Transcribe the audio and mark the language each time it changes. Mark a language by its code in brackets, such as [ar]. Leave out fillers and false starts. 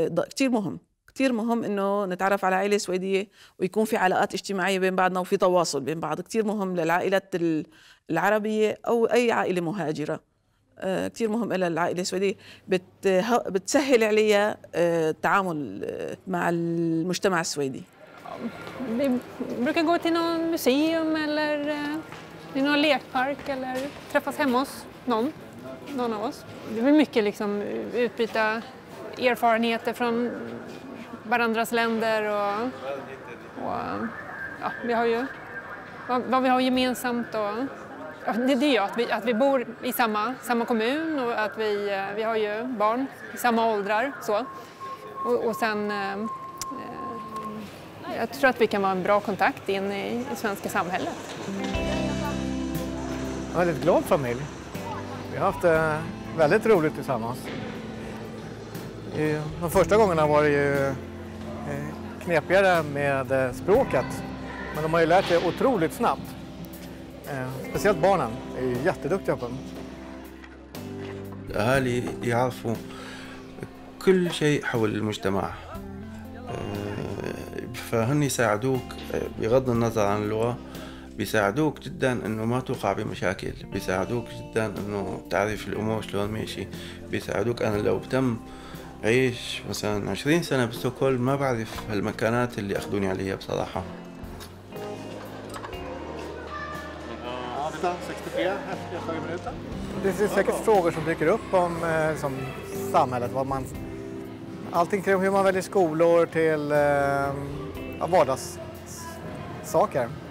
[ar] كتير مهم كتير مهم إنه نتعرف على عائلة سويدية ويكون في علاقات اجتماعية بين بعضنا وفي تواصل بين بعض كتير مهم للعائلات العربية أو أي عائلة مهاجرة كتير مهم إلى العائلة السويدية بتسهل عليها التعامل مع المجتمع السويدي. [sv] بروكن gå till någon museum eller till någon lekpark eller träffas hemma hos någon av oss. Det blir mycket liksom utbyta erfarenheter från varandras länder och ja, vi har ju vad vi har gemensamt och det är ju att vi bor i samma kommun och att vi har ju barn i samma åldrar så. Och sen jag tror att vi kan vara en bra kontakt in i svenska samhället. En väldigt glad familj. Vi har haft väldigt roligt tillsammans. De första gångerna var det ju knepigare med språket, men de har ju lärt sig otroligt snabbt. Speciellt barnen är ju jätteduktiga på dem. [ar] Ahli يعرفوا كل شيء حول المجتمع. فهني يساعدوك بغض النظر عن اللغة بيساعدوك جدا انه ما توقع بمشاكل، بيساعدوك جدا انه تعرف الامور شلون ماشي، بيساعدوك انا لو بتم عيش مثلا 20 سنة بستوكهولم ما بعرف هالمكانات اللي اخذوني عليها بصراحة. [sv] 64, det finns säkert frågor som dyker upp om liksom, samhället. Vad man, allting kring hur man väljer skolor till vardagssaker.